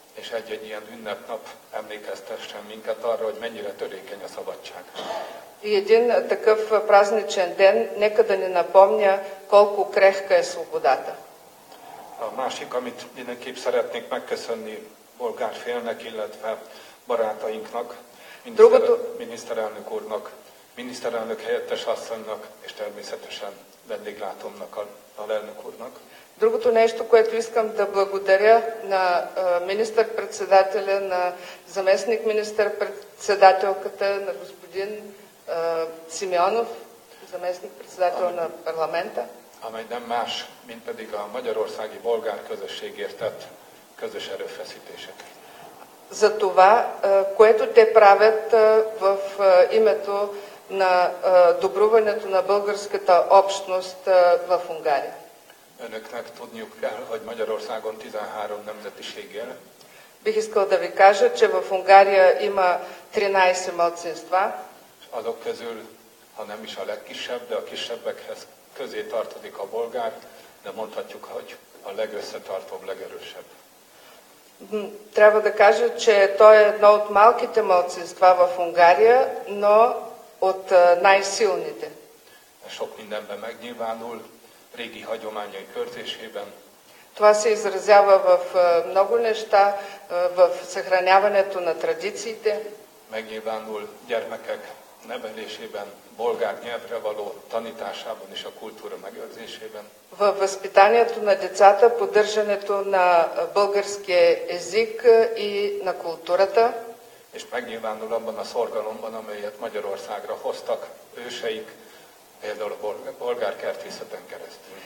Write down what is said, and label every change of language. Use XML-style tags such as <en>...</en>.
<hu>És egy-egy ilyen ünnepnap emlékeztessen minket arra, hogy mennyire törékeny a szabadság.</hu> <bg>И един такъв празничен ден, нека да ни напомня колко крехка е свободата.</bg> <hu>A másik, amit mindenképp szeretnék megköszönni bolgárfélnek, illetve barátainknak, miniszterelnök úrnak, miniszterelnök helyettes asszonynak, és természetesen vendéglátomnak a elnök úrnak.</hu> <bg>Другото нещо, което искам да благодаря на министър-председателя, на заместник министър-председателката, на господин Симеонов, заместник-председател на парламента.</bg> <hu>Amely nem más, mint pedig a magyarországi bolgár közösségért tett közös erőfeszítések.</hu> <bg>За това, което те правят в името на добруването на българската общност в Унгария.</bg> <hu>Önöknek tudniuk kell, hogy Magyarországon 13 nemzetiség él.</hu> <bg>Бих искал да ви кажа, че в Унгария има 13 малцинства.</bg> <hu>Azok közül, ha nem is a legkisebb, de a kisebbekhez közé tartozik a bolgár, de mondhatjuk, hogy a legösszetartóbb, legerősebb.</hu> <bg>Трябва да кажа, че той е едно от малките малцинства в Унгария, но от най-силните.</bg> <hu>Sok mindenben megnyilvánul, régi hagyományai körzésében.</hu> <bg>Това се изразява в много неща, в съхраняването на традициите.</bg> <hu>Megnyilvánul gyermekek nevelésében, bolgár nyelvre való tanításában és a kultúra megőrzésében.</hu> <bg>Във възпитанието на децата, поддържането на българския език и на културата.</bg> <hu>És megnyilvánul abban a szorgalomban, amelyet Magyarországra hoztak őseik, Például a Bolgárkert Tiszaten keresztül.</hu>